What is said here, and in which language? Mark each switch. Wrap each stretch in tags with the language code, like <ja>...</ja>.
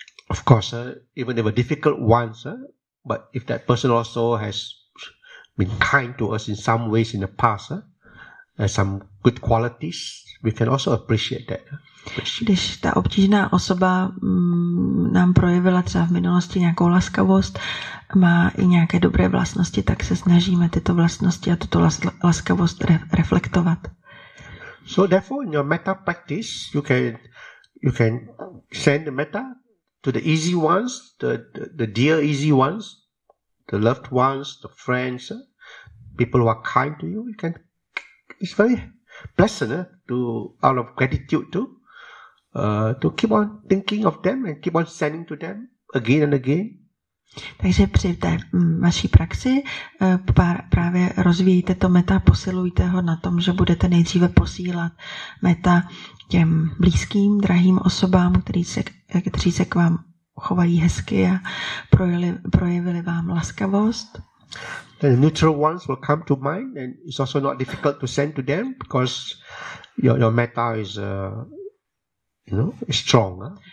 <en>Of course, even if a difficult ones, but if that person also has been kind to us in some ways in the past, has some good qualities, we can also appreciate that.</en> <cs>Když ta obtížná osoba nám projevila třeba v minulosti nějakou laskavost, má i nějaké dobré vlastnosti, tak se snažíme tyto vlastnosti a tuto laskavost reflektovat.</cs> <en>So therefore in your metta practice, you can send the metta to the easy ones, the dear easy ones, the loved ones, the friends, people who are kind to you. You can, it's very pleasant to, out of gratitude to keep on thinking of them and keep on sending to them again and again.</en> <cs>Takže při té vaší praxi právě rozvíjíte to meta, posilujte ho na tom, že budete nejdříve posílat meta těm blízkým, drahým osobám, kteří se k vám chovají hezky a projevili vám laskavost.</cs> <en>The neutral ones will come to mind, and it's also not difficult to send to them because your metta is strong.</en>